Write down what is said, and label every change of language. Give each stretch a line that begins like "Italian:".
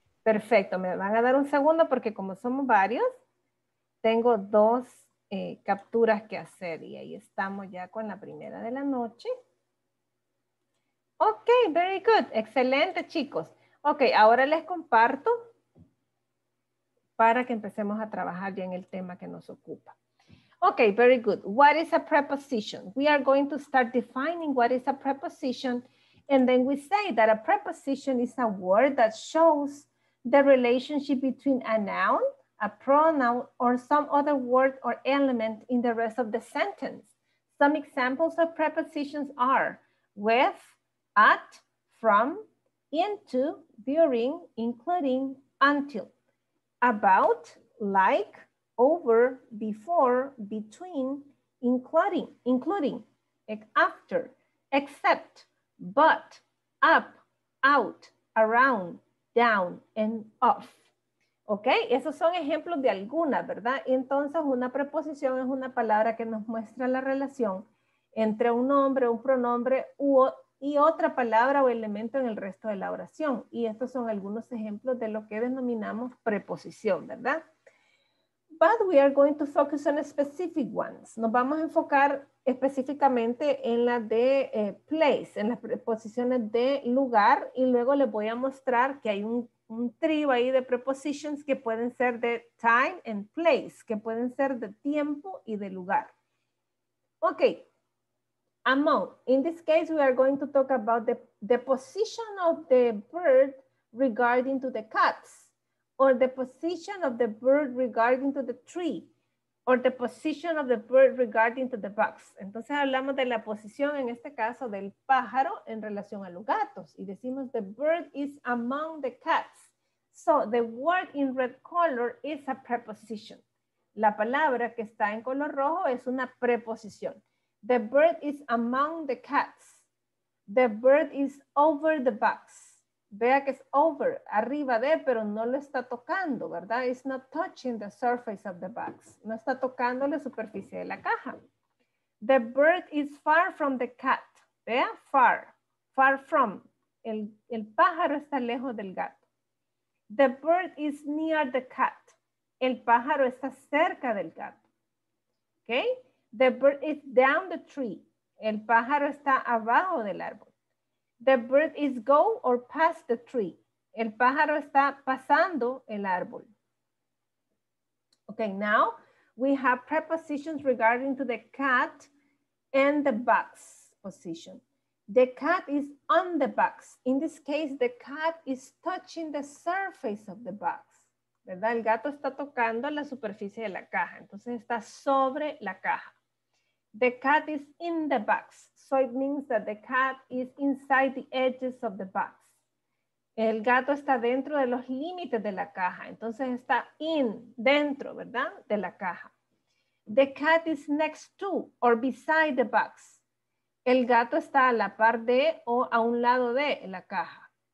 Spanish: Perfecto, me van a dar un segundo porque como somos varios, tengo dos capturas que hacer y ahí estamos ya con la primera de la noche.
English: Ok, very good,
Spanish: excelente, chicos. Ok, ahora les comparto para que empecemos a trabajar ya en el tema que nos ocupa.
English: Ok, very good. What is a preposition? We are going to start defining what is a preposition, and then we say that a preposition is a word that shows the relationship between a noun, a pronoun, or some other word or element in the rest of the sentence. Some examples of prepositions are with, at, from, into, during, including, until, about, like, over, before, between, including, after, except, but, up, out, around, down, and off.
Spanish: Ok, esos son ejemplos de algunas, ¿verdad? Entonces, una preposición es una palabra que nos muestra la relación entre un nombre, un pronombre y otra palabra o elemento en el resto de la oración. Y estos son algunos ejemplos de lo que denominamos preposición, ¿verdad?
English: But we are going to focus on specific ones.
Spanish: Nos vamos a enfocar específicamente en la de place, en las preposiciones de lugar, y luego les voy a mostrar que hay un trío ahí de prepositions que pueden ser de time and place, que pueden ser de tiempo y de lugar.
English: Ok, among. In this case, we are going to talk about the position of the bird regarding to the cats, or the position of the bird regarding to the tree, or the position of the bird regarding to the box.
Spanish: Entonces hablamos de la posición, en este caso, del pájaro en relación a los gatos.
English: Y decimos, the bird is among the cats. So the word in red color is a preposition.
Spanish: La palabra que está en color rojo es una preposición.
English: The bird is among the cats. The bird is over the box.
Spanish: Vea que es over, arriba de, pero no lo está tocando, ¿verdad?
English: It's not touching the surface of the box.
Spanish: No está tocando la superficie de la caja.
English: The bird is far from the cat. Vea, far, far from.
Spanish: El pájaro está lejos del gato.
English: The bird is near the cat.
Spanish: El pájaro está cerca del gato. Okay?
English: The bird is down the tree.
Spanish: El pájaro está abajo del árbol.
English: The bird is go or past the tree.
Spanish: El pájaro está pasando el árbol.
English: Okay, now we have prepositions regarding to the cat and the box position. The cat is on the box. In this case, the cat is touching the surface of the box.
Spanish: ¿Verdad? El gato está tocando la superficie de la caja. Entonces está sobre la caja.
English: The cat is in the box. So it means that the cat is inside the edges of the box.
Spanish: El gato está dentro de los límites de la caja. Entonces está in, dentro, ¿verdad? De la caja.
English: The cat is next to or beside the box.
Spanish: El gato está a la par de o a un lado de la caja.